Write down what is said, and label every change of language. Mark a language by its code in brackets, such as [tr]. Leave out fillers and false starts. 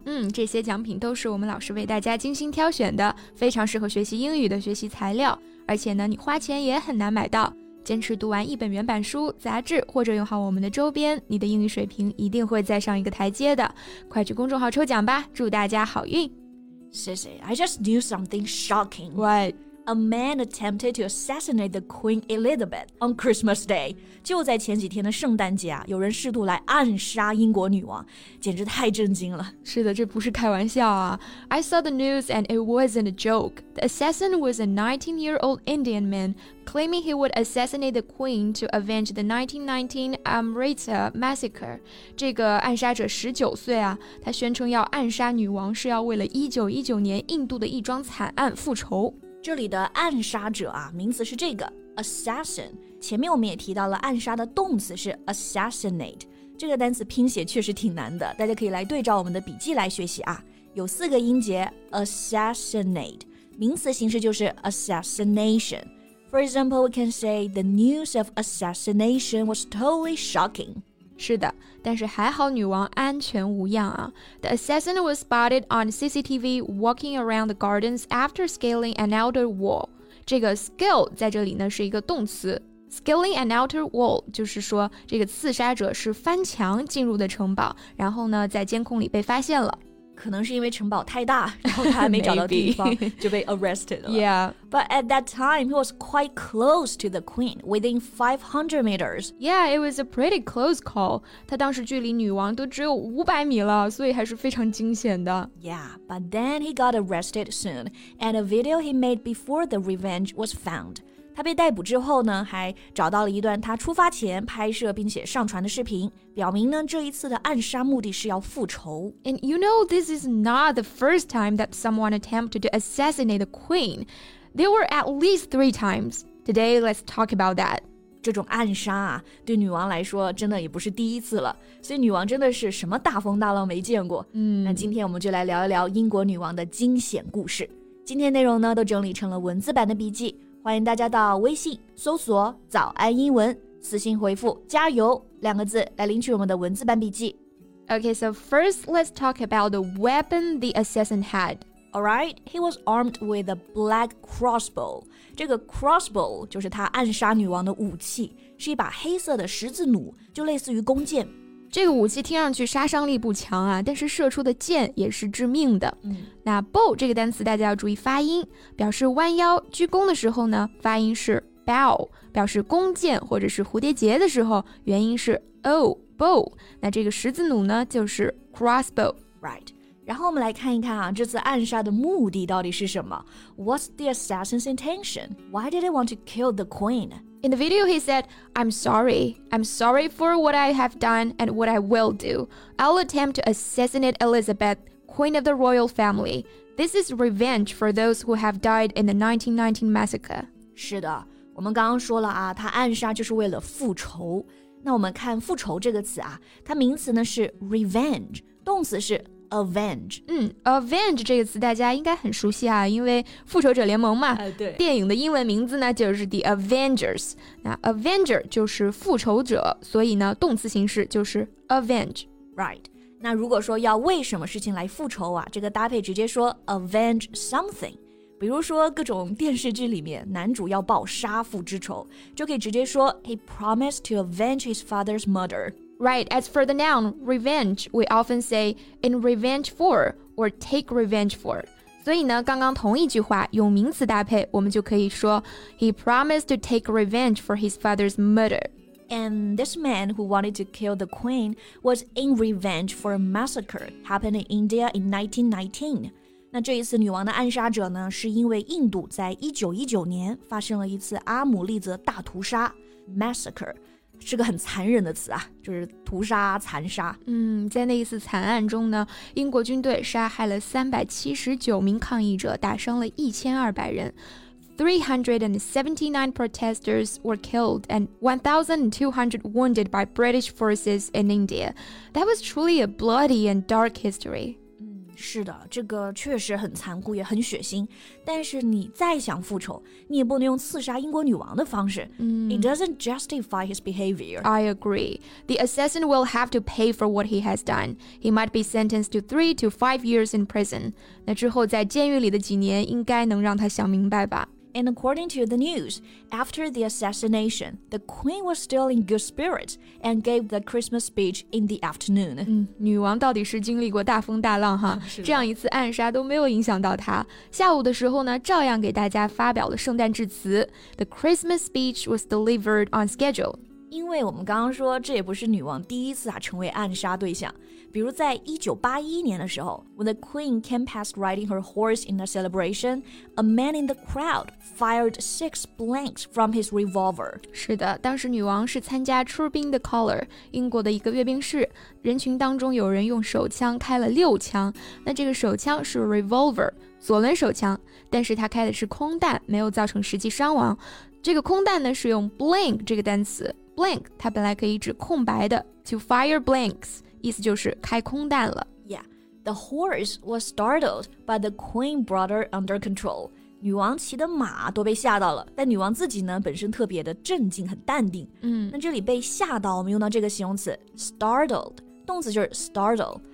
[zh] 嗯，这些奖品都是我们老师为大家精心挑选的，非常适合学习英语的学习材料，而且呢，你花钱也很难买到。坚持读完一本原版书、杂志，或者用好我们的周边，你的英语水平一定会再上一个台阶的。快去公众号抽奖吧，祝大家好运。 [en] Sissy, I just knew something shocking. What? A man attempted to assassinate the Queen Elizabeth on Christmas Day. [zh] 就在前几天的圣诞节啊，有人试图来暗杀英国女王，简直太震惊了。是的，这不是开玩笑啊。 [en] I saw the news and it wasn't a joke. The assassin was a 19-year-old Indian man claiming he would assassinate the Queen to avenge the 1919 Amritsar massacre. [zh] 这个暗杀者19岁啊，他宣称要暗杀女王是要为了1919年印度的一桩惨案复仇。这里的暗杀者啊，名词是这个 assassin。前面我们也提到了暗杀的动词是 assassinate。这个单词拼写确实挺难的，大家可以来对照我们的笔记来学习啊。有四个音节 assassinate， 名词形式就是 assassination。 [en] For example, we can say the news of assassination was totally shocking。 [zh] 是的，但是还好女王安全无恙啊。 [en] The assassin was spotted on CCTV walking around the gardens after scaling an outer wall. [zh] 这个 scale 在这里呢是一个动词。 [en] Scaling an outer wall [zh] 就是说这个刺杀者是翻墙进入的城堡，然后呢在监控里被发现了。可能是因为城堡太大，然后他还没找到地方就被 arrested 了。 [en] Yeah. But at that time, he was quite close to the queen, within 500 meters. Yeah, it was a pretty close call. [zh] 他当时距离女王都只有500米了，所以还是非常惊险的。 [en] Yeah, but then he got arrested soon, and a video he made before the revenge was found. [zh] 他被逮捕之后呢，还找到了一段他出发前拍摄并且上传的视频，表明呢，这一次的暗杀目的是要复仇。 [en] And you know, this is not the first time that someone attempted to assassinate the queen. There were at least 3 times. Today, let's talk about that. [zh] 这种暗杀啊，对女王来说真的也不是第一次了，所以女王真的是什么大风大浪没见过。那今天我们就来聊一聊英国女王的惊险故事。今天内容呢，都整理成了文字版的笔记。欢迎大家到微信搜索早安英文，私信回复加油两个字来领取我们的文字版笔记。 [en] Okay, so first let's talk about the weapon the assassin had. Alright, he was armed with a black crossbow. [zh] 这个 crossbow 就是他暗杀女王的武器，是一把黑色的十字弩，就类似于弓箭。这个武器听上去杀伤力不强啊，但是射出的箭也是致命的。那 bow 这个单词大家要注意发音，表示弯腰鞠躬的时候呢，发音是 bow， 表示弓箭或者是蝴蝶结的时候，元音是 o bow。那这个十字弩呢，就是 crossbow， [en] right？ [zh] 然后我们来看一看啊，这次暗杀的目的到底是什么 ？ [en] What's the assassin's intention? Why did he want to kill the queen? In the video, he said, I'm sorry. I'm sorry for what I have done and what I will do. I'll attempt to assassinate Elizabeth, queen of the royal family. This is revenge for those who have died in the 1919 massacre. [zh] 是的，我们刚刚说了啊，他暗杀就是为了复仇。那我们看复仇这个词啊，它名词呢是 revenge， 动词是Avenge， Avenge 这个词大家应该很熟悉啊，因为复仇者联盟嘛，对，电影的英文名字呢就是 The Avengers， 那 Avenger 就是复仇者，所以呢动词形式就是 Avenge， [en] right？ [zh] 那如果说要为什么事情来复仇啊，这个搭配直接说 Avenge something， 比如说各种电视剧里面男主要报杀父之仇，就可以直接说 [en] He promised to avenge his father's murder。 Right, as for the noun, revenge, we often say in revenge for or take revenge for. [zh] 所以呢，刚刚同一句话用名词搭配，我们就可以说 [en] he promised to take revenge for his father's murder. And this man who wanted to kill the queen was in revenge for a massacre happened in India in 1919. [zh] 那这一次女王的暗杀者呢，是因为印度在1919年发生了一次阿姆利则大屠杀 massacre. 是个很残忍的词啊，就是屠杀、残杀。在那一次惨案中呢，英国军队杀害了379名抗议者，打伤了1200人。 [en] 379 protesters were killed and 1,200 wounded by British forces in India. That was truly a bloody and dark history. [zh] 是的，这个确实很残酷，也很血腥。但是你再想复仇，你也不能用刺杀英国女王的方式。 [en] It doesn't justify his behavior. I agree. The assassin will have to pay for what he has done. He might be sentenced to 3 to 5 years in prison. [zh] 那之后在监狱里的几年应该能让他想明白吧。 [en] And according to the news, after the assassination, the queen was still in good spirits and gave the Christmas speech in the afternoon. [zh] 女王到底是经历过大风大浪哈，这样一次暗杀都没有影响到她。下午的时候呢，照样给大家发表了圣诞致辞。 [en] The Christmas speech was delivered on schedule. [zh] 因为我们刚刚说这也不是女王第一次啊成为暗杀对象。比如在1981年的时候 [en] ,when the queen came past riding her horse in a celebration, a man in the crowd fired 6 blanks from his revolver. [zh] 是的，当时女王是参加出兵的 caller, 英国的一个阅兵式。人群当中有人用手枪开了6枪。那这个手枪是 revolver, 左轮手枪。但是他开的是空弹，没有造成实际伤亡。这个空弹呢是用 blank 这个单词。 Blank, 它本来可以指空白的 [en] to fire blanks, [zh] 意思就是开空弹了。 [en] Yeah, the horse was startled, but the queen brought her under control. [zh] 女王骑的马都被吓到了，但女王自己呢，本身特别的镇静，很淡定。那这里被吓到，我们用到这个形容词 startled, 动词就是 startle.